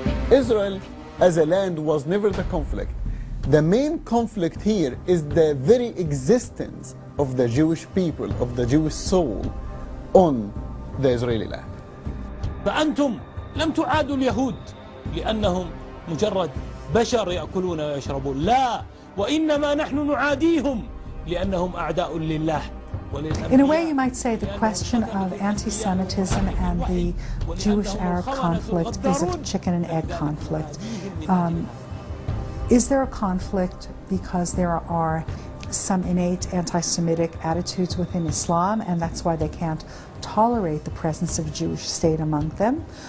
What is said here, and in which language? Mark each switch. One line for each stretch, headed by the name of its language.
English: Israel as a land was never the conflict. The main conflict here is the very existence of the Jewish people, of the Jewish soul on the Israeli land.
Arabic: فأنتم لم تعادوا اليهود لأنهم مجرد بشر يأكلون ويشربون، لا، وإنما نحن نعاديهم لأنهم أعداء لله.
English: In a way, you might say the question of anti-Semitism and the Jewish-Arab conflict is a chicken and egg conflict. Is there a conflict because there are some innate anti-Semitic attitudes within Islam, and that's why they can't tolerate the presence of a Jewish state among them?